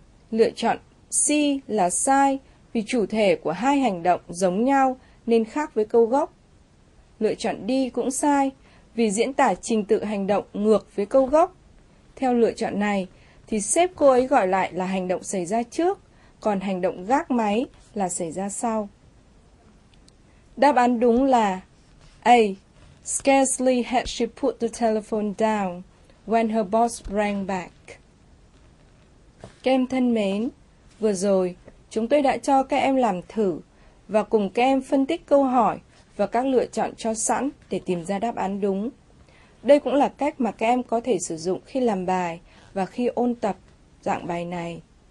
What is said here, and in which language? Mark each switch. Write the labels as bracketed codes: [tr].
[vi] Lựa chọn C là sai vì chủ thể của hai hành động giống nhau nên khác với câu gốc. Lựa chọn D cũng sai vì diễn tả trình tự hành động ngược với câu gốc. Theo lựa chọn này thì sếp cô ấy gọi lại là hành động xảy ra trước, còn hành động gác máy là xảy ra sau. Đáp án đúng là A. [en] Scarcely had she put the telephone down when her boss rang back. [vi] Các em thân mến, vừa rồi chúng tôi đã cho các em làm thử và cùng các em phân tích câu hỏi và các lựa chọn cho sẵn để tìm ra đáp án đúng. Đây cũng là cách mà các em có thể sử dụng khi làm bài và khi ôn tập dạng bài này.